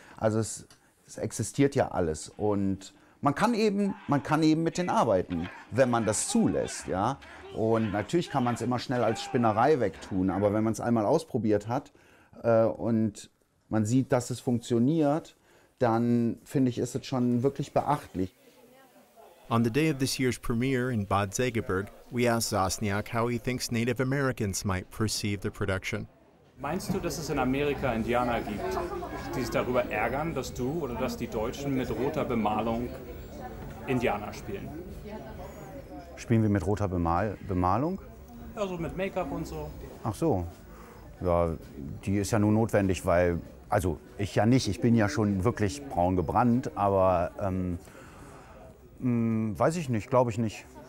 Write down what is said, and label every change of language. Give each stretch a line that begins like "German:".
German: Also es existiert ja alles. Und man kann eben mit denen arbeiten, wenn man das zulässt, ja. Und natürlich kann man es immer schnell als Spinnerei wegtun, aber wenn man es einmal ausprobiert hat und man sieht, dass es funktioniert, dann finde ich, ist es schon wirklich beachtlich.
English: On the day of this year's premiere in Bad Segeberg, we asked Zasniak how he thinks Native Americans might perceive the production.
German: Meinst du, dass es in Amerika Indianer gibt, die sich darüber ärgern, dass du oder dass die Deutschen mit roter Bemalung Indianer spielen? Spielen wir mit roter Bemalung? Ja, so mit Make-up und so. Ach so. Ja, die ist ja nur notwendig, weil, also ich ja nicht, ich bin ja schon wirklich braun gebrannt, aber weiß ich nicht, glaube ich nicht.